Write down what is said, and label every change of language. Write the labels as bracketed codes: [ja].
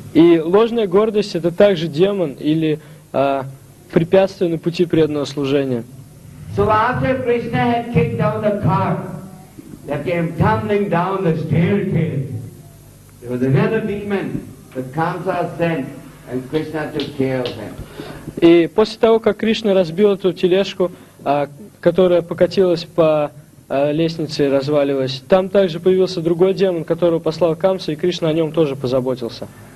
[ru] И ложная гордость – это также демон или препятствия на пути преданного служения. [en] So after Krishna had kicked down the cart that came tumbling down the staircase, there was another demon that Kamsa sent And Krishna took care of him. [ru] И после того, как Кришна разбил эту тележку, которая покатилась по лестнице и развалилась, там также появился другой демон, которого послал Камса, и Кришна о нем тоже позаботился.